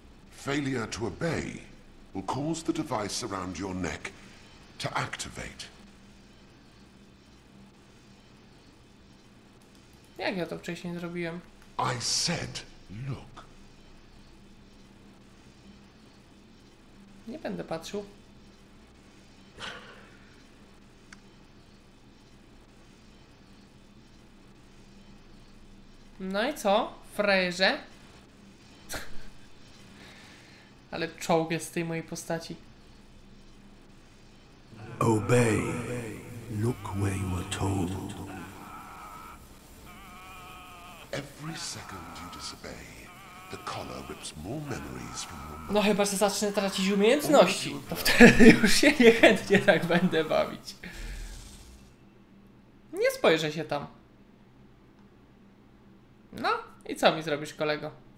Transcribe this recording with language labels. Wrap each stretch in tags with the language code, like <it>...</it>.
<en>Failure to obey will cause the device around your neck to activate.</en> <pl>Jak ja to wcześniej zrobiłem?</pl> <en>I said, look.</en> <pl>Nie będę patrzył. No i co, frejerze? Ale czołg jest z tej mojej postaci.</pl> <en>Obey. Look where you are told. every second you disobey, the collar rips more memories from your mind.</en> <pl>No chyba, że zacznę tracić umiejętności. To wtedy już się niechętnie tak będę bawić. Nie spojrzę się tam. No, i co mi zrobisz, kolego?</pl>